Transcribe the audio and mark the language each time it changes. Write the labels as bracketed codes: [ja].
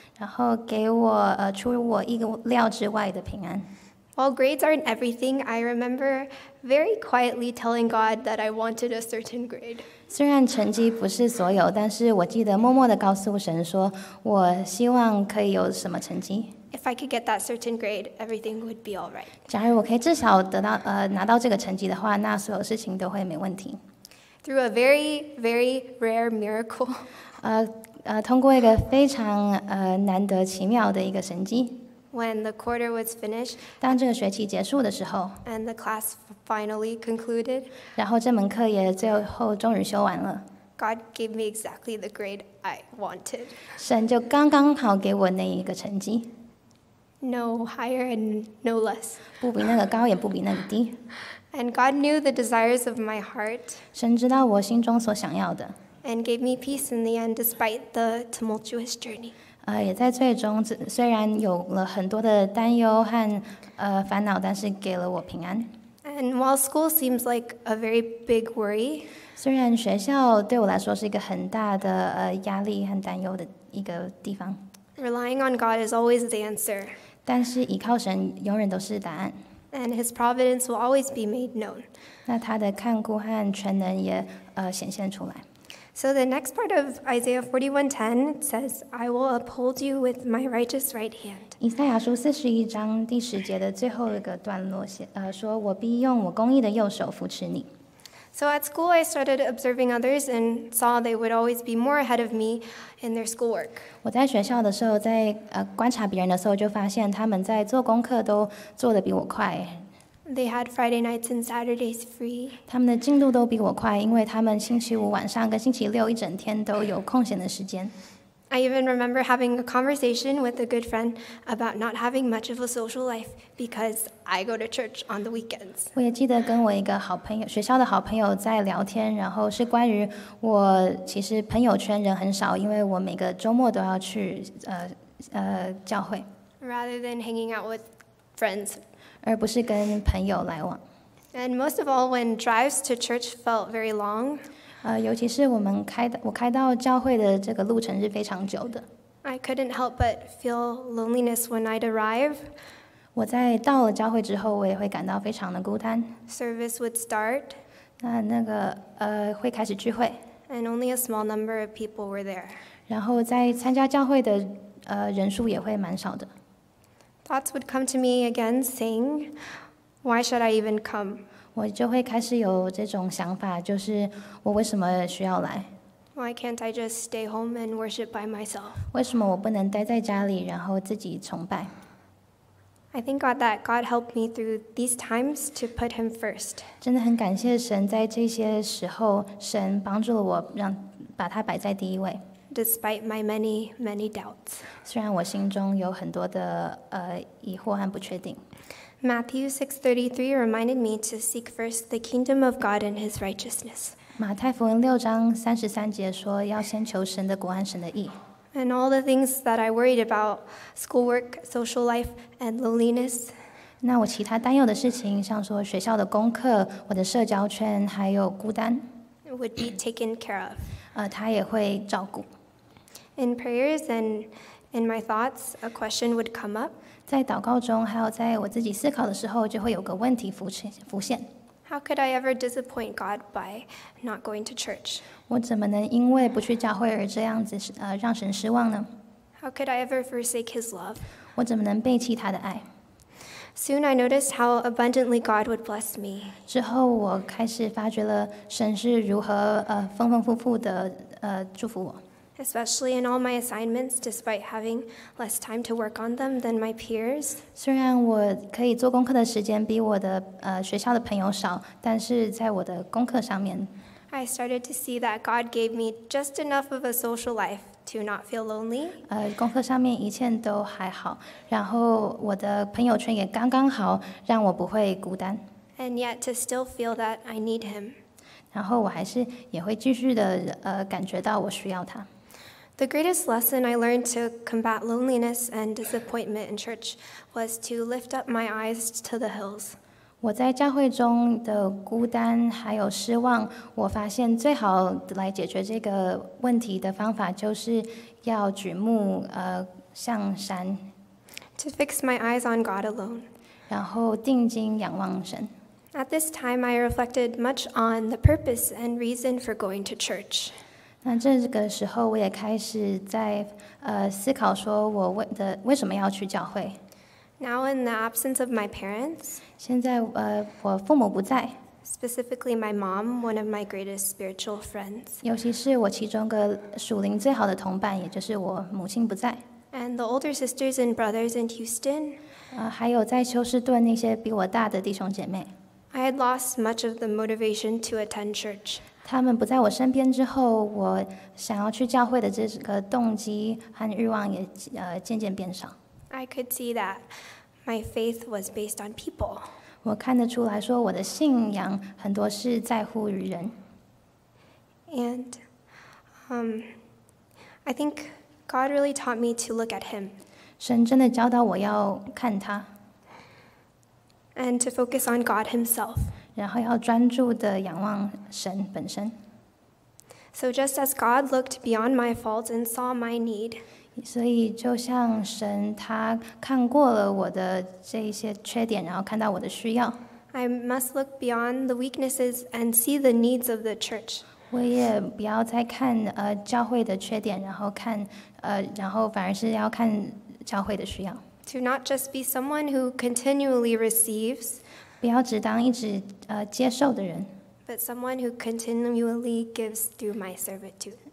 [zh] 然后给我出我意料之外的平安。 [en] While grades aren't everything, I remember very quietly telling God that I wanted a certain grade. [zh] 虽然成绩不是所有，但是我记得默默地告诉神说，我希望可以有什么成绩。 [en] If I could get that certain grade, everything would be all right. [zh] 假如我可以至少得到拿到这个成绩的话，那所有事情都会没问题。 [en] Through a very, very rare miracle. [zh] 通过一个非常难得奇妙的一个神迹。 [en] When the quarter was finished. [zh] 当这个学期结束的时候。 [en] And the class finally concluded. [zh] 然后这门课也最后终于修完了。 [en] God gave me exactly the grade I wanted. [zh] 神就刚刚好给我那一个成绩。 [en] No higher and no less. [zh] 不比那个高，也不比那个低。 [en] And God knew the desires of my heart. [zh] 神知道我心中所想要的。 [en] And gave me peace in the end, despite the tumultuous journey. [zh] 也在最终，虽然有了很多的担忧和烦恼，但是给了我平安。 [en] And while school seems like a very big worry, [zh] 虽然学校对我来说是一个很大的压力和担忧的一个地方。 [en] Relying on God is always the answer. [zh] 但是依靠神永远都是答案。 [en] And His providence will always be made known. [zh] 那他的看顾和全能也显现出来。 [en] So the next part of Isaiah 41:10 says, "I will uphold you with my righteous right hand." [zh] 以赛亚书四十一章第十节的最后一个段落说我必用我公义的右手扶持你。 [en] So at school, I started observing others and saw they would always be more ahead of me in their schoolwork. [zh] 我在学校的时候，在观察别人的时候，就发现他们在做功课都做得比我快。 [en] They had Friday nights and Saturdays free. [zh] 他们的进度都比我快，因为他们星期五晚上跟星期六一整天都有空闲的时间。 [en] I even remember having a conversation with a good friend about not having much of a social life because I go to church on the weekends. [zh] 我也记得跟我一个好朋友，学校的好朋友在聊天，然后是关于我其实朋友圈人很少，因为我每个周末都要去教会。 [en] Rather than hanging out with friends. [zh] 而不是跟朋友来往。 [en] And most of all, when drives to church felt very long. [zh] 尤其是我开到教会的这个路程是非常久的。 [en] I couldn't help but feel loneliness when I'd arrive. [zh] 我在到了教会之后，我也会感到非常的孤单。 [en] Service would start. [zh] 那个会开始聚会。 [en] And only a small number of people were there. [zh] 然后在参加教会的人数也会蛮少的。 [en] Thoughts would come to me again, saying, "Why should I even come?" [zh] 我就会开始有这种想法，就是我为什么需要来 [en] ？Why can't I just stay home and worship by myself? [zh] 为什么我不能待在家里，然后自己崇拜 [en] ？I thank God that God helped me through these times to put Him first. [zh] 真的很感谢神，在这些时候，神帮助了我，让把他摆在第一位。 [en] Despite my many, many doubts. [zh] 虽然我心中有很多的疑惑和不确定。 [en] Matthew 6:33 reminded me to seek first the kingdom of God and His righteousness. [zh] 马太福音六章三十三节说要先求神的国和神的义。 [en] And all the things that I worried about, schoolwork, social life, and loneliness. [zh] 那我其他担忧的事情，像说学校的功课、我的社交圈，还有孤单 [en] ，would be taken care of。 [zh] 他也会照顾。 [en] In prayers and in my thoughts, a question would come up。 [zh] 在祷告中，还有在我自己思考的时候，就会有个问题浮现。 [en] How could I ever disappoint God by not going to church？ [zh] 我怎么能因为不去教会而这样子让神失望呢 [en] ？How could I ever forsake His love？ [zh] 我怎么能背弃他的爱？ [en] Soon I noticed how abundantly God would bless me. [zh] 之后我开始发觉了神是如何丰丰富富的祝福我。 [en] Especially in all my assignments, despite having less time to work on them than my peers. [zh] 虽然我可以做功课的时间比我的学校的朋友少，但是在我的功课上面。 [en] I started to see that God gave me just enough of a social life to not feel lonely. [zh] 功课上面一切都还好，然后我的朋友圈也刚刚好，让我不会孤单。 [en] And yet to still feel that I need him. [zh] 然后我还是也会继续的感觉到我需要他。 [en] The greatest lesson I learned to combat loneliness and disappointment in church was to lift up my eyes to the hills. [zh] 我在教会中的孤单还有失望，我发现最好来解决这个问题的方法就是要举目向山。 [en] To fix my eyes on God alone. [zh] 然后定睛仰望神。 [en] At this time, I reflected much on the purpose and reason for going to church. [zh] 那这个时候，我也开始在思考说我为什么要去教会。 [en] Now in the absence of my parents， [zh] 现在我父母不在。 [en] Specifically, my mom, one of my greatest spiritual friends。 [zh] 尤其是我其中个属灵最好的同伴，也就是我母亲不在。 [en] And the older sisters and brothers in Houston。 [zh] 还有在休斯顿那些比我大的弟兄姐妹。 [en] I had lost much of the motivation to attend church。 [zh] 他们不在我身边之后，我想要去教会的这个动机和欲望也渐渐变少。 [en] I could see that my faith was based on people. [zh] 我看得出来说我的信仰很多是在乎于人。 [en] And, I think God really taught me to look at Him. [zh] 神真的教导我要看他。 [en] And to focus on God Himself. [zh] 然后要专注的仰望神本身。 [en] So just as God looked beyond my faults and saw my need. [zh] 所以就像神他看过了我的这些缺点，然后看到我的需要。 [en] I must look beyond the weaknesses and see the needs of the church. [zh] 我也不要再看教会的缺点，然后看然后反而是要看教会的需要。 [en] To not just be someone who continually receives. [zh] 不要只当一直接受的人。 [en] But someone who continually gives through my servitude.